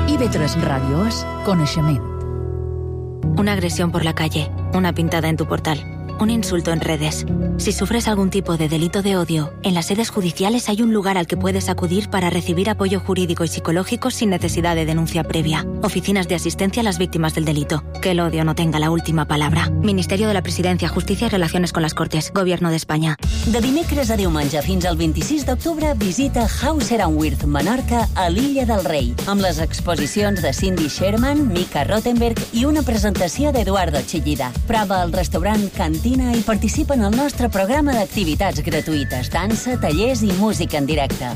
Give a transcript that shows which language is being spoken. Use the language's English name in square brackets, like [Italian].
[Catalan] Tres radios, coneixement. [Spanish] Una agresión por la calle, una pintada en tu portal, un insulto en redes. Si sufres algún tipo de delito de odio, en las sedes judiciales hay un lugar al que puedes acudir para recibir apoyo jurídico y psicológico sin necesidad de denuncia previa. Oficinas de asistencia a las víctimas del delito. Que el odio no tenga la última palabra. Ministerio de la Presidencia, Justicia y Relaciones con las Cortes. Gobierno de España. [Catalan] De dimecres a diumenge fins al 26 d'octubre visita Hauser & Wirth Menorca a l'Illa del Rei amb les exposicions de Cindy Sherman, Mika Rotenberg i una presentació d'Eduardo Chillida. Prova el restaurant Can i participa en el nostre programa d'activitats gratuïtes, dansa, tallers i música en directe.